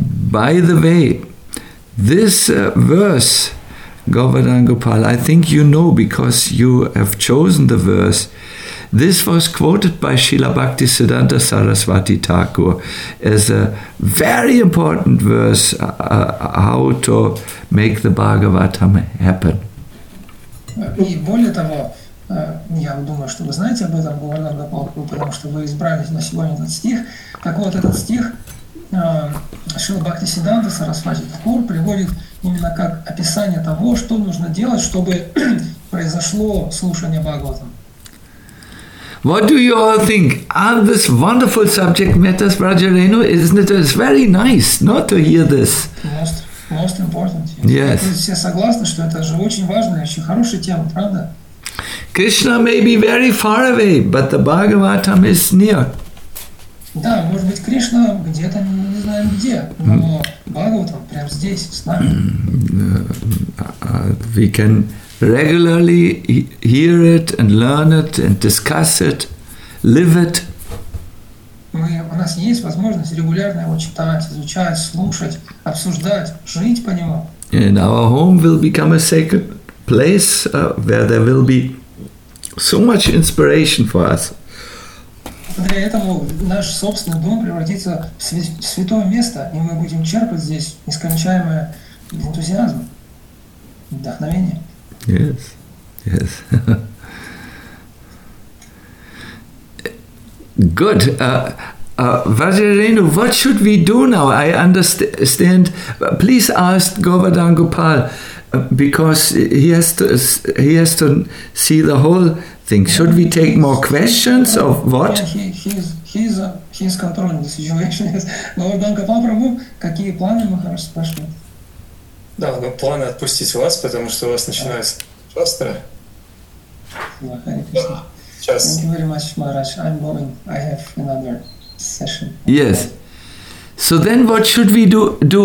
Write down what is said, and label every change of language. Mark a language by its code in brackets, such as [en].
[en] By the way, this verse, Govardhan Gopal, I think you know because you have chosen the verse. This was quoted by Srila Bhaktisiddhanta Saraswati Thakur as a very important verse how to make the Bhagavatam happen. [ru] И более того, я думаю, что вы знаете об этом, Govardhan Gopal, потому что вы избрали на сегодня этот стих. Так вот, этот стих Шрила Бхактисиддханта Сарасвати Такур приводит именно как описание того, что нужно делать, чтобы произошло слушание Бхагаватам. [en] What do you all think? Are this wonderful subject matters, Braja Renu? Isn't it very nice not to hear this? Most important. Yes. [ru] Все согласны, что это же очень важная, очень хорошая тема, правда? [en] Krishna may be very far away, but the Bhagavatam is near. [ru] Да, может быть, Кришна где-то, не знаем где, но Бхагаватам прямо здесь, с нами. [en] We can regularly hear it and learn it and discuss it, live it. [ru] У нас есть возможность регулярно его читать, изучать, слушать, обсуждать, жить по нему. [en] And our home will become a sacred place where there will be so much inspiration for us. [ru] Для этого наш собственный дом превратится в святое место, и мы будем черпать здесь нескончаемый энтузиазм, вдохновение. [en] Yes, yes. Good. Vajrayenu, what should we do now? I understand. Please ask Govardhan Gopal, because he has to see the whole thing. Should we take more questions or what? Yeah, he, he's, he's controlling the situation. [ru] Но вот Ганга Папрабу, какие планы, Махарадж спрашивает? Да, но планы отпустить вас, потому что у вас начинается шастра. Сейчас. [en] Thank you very much, Maharaj. I'm going. I have another session. Yes. So then what should we do?